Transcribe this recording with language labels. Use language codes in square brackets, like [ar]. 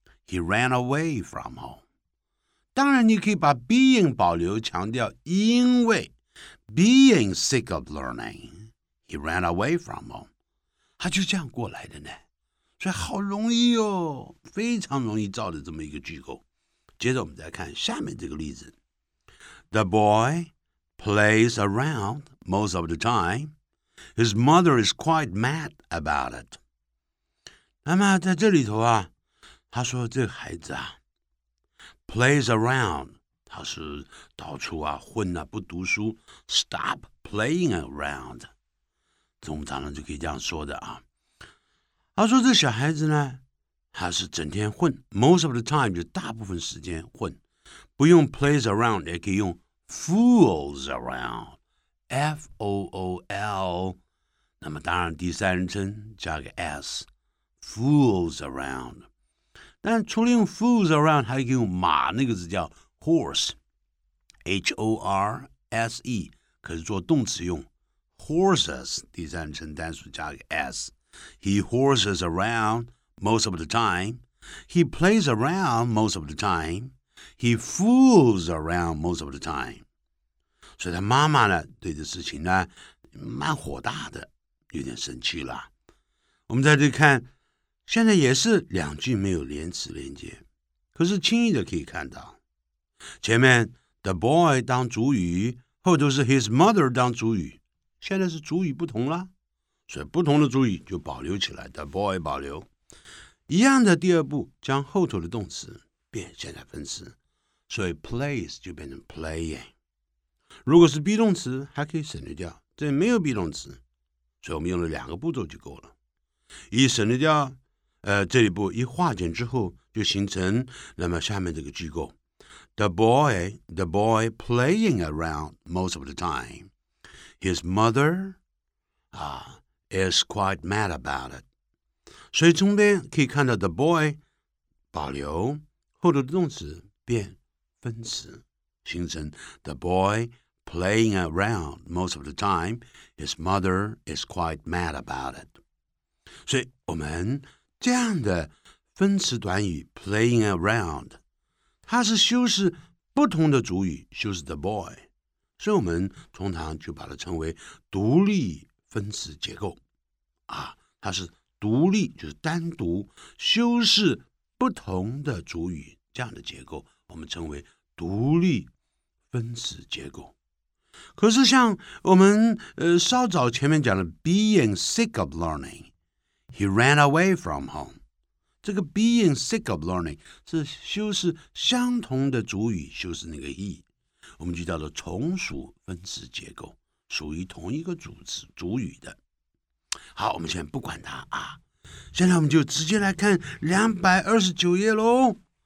[en] He ran away from home. 当然你可以把 being 保留强调因为 being sick of learning. [zh] He ran away from home. 他就这样过来的呢。所以好容易哦，非常容易造的这么一个句构。接着我们再看下面这个例子。 [en] The boy plays around most of the time. His mother is quite mad about it. [zh] 那么在这里头啊，他说这个孩子啊 plays around, 他是到处啊混啊不读书 stop playing around. 总长就可以这样说的啊。他说这小孩子呢他是整天混 most of the time, 就大部分时间混。不用 plays around, 也可以用 fools around, F-O-O-L, 那么当然第三人称加个 S, fools around. 但除了用 fools around, 还可以用马那个字叫 horse, H-O-R-S-E, 可是做动词用 horses, 第三人称单数加个 s. [en] He horses around most of the time. He plays around most of the time. He fools around most of the time. [zh] 所以他妈妈呢对这事情呢蛮火大的，有点生气了。我们再去看现在也是两句没有连词连接，可是轻易的可以看到，前面 the boy 当主语，后头是 his mother 当主语，现在是主语不同了，所以不同的主语就保留起来 ，the boy 保留。一样的第二步，将后头的动词变现在分词，所以 plays 就变成 playing。如果是 be 动词，还可以省略掉，这没有 be 动词，所以我们用了两个步骤就够了，一省略掉。这一步一化简之后就形成那么下面这个句构 The boy playing around most of the time. [en] His mother、is quite mad about it. [zh] 所以中间可以看到 the boy 保留后头的动词变分词，形成 the boy playing around most of the time. [en] His mother is quite mad about it. [zh] 所以我们这样的分词短语 playing around, 它是修饰不同的主语，修饰 the boy, 所以我们通常就把它称为独立分词结构。啊，它是独立，就是单独修饰不同的主语，这样的结构我们称为独立分词结构。 [en] 可是像我们稍早前面讲的 being sick of learning,He ran away from home. [zh] 这个 being sick of learning 是修饰相同的主语，修饰那个 he, 我们就叫做从属分词结构，属于同一个主词主语的。好，我们先不管它啊，现在我们就直接来看229页咯。